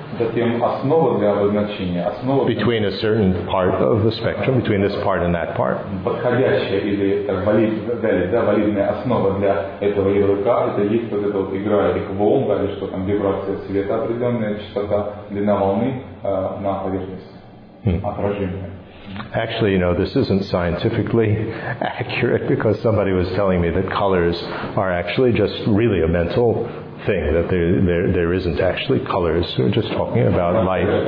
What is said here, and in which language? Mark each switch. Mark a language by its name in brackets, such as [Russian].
[Russian] Затем основа для обозначения, основа [English] between a certain part of the spectrum, between this part and that part. [Russian] Подходящая или так, валидная основа для этого ярлыка, это есть вот эта вот игра или волн, да, или что там, вибрация света определенная, частота, длина волны на поверхности, отражение. [English] Actually, you know, this isn't scientifically accurate because somebody was telling me that colors are actually just really a mental thing, that there isn't actually colors. We're just talking about light.